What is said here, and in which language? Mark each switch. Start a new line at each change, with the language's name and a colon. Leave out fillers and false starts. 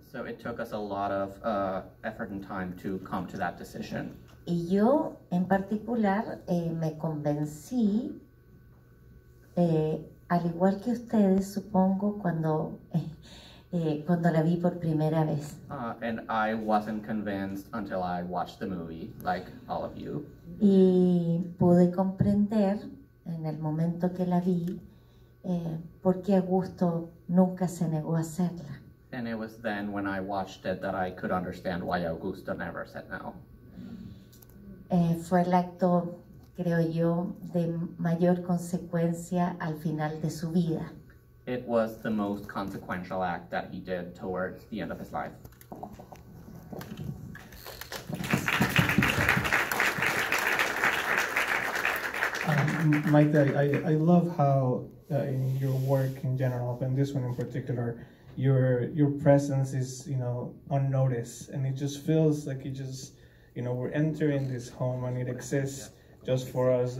English: So it took us a lot of effort and time to come to that decision.
Spanish: Y yo en particular me convencí al igual que ustedes, supongo, cuando la vi por primera vez.
English: And I wasn't convinced until I watched the movie, like all of you.
Spanish: Y pude comprender en el momento que la vi por qué Augusto nunca se negó a hacerla.
English: And it was then when I watched it that I could understand why Augusto never said no.
Spanish: Fue el acto creo yo, de mayor consecuencia al final de su vida.
English: It was the most consequential act that he did towards the end of his life. Maite, I love how in your work in general, and this one in particular, your presence is, you know, unnoticed, and it just feels like it just, you know, we're entering this home and it exists just for us.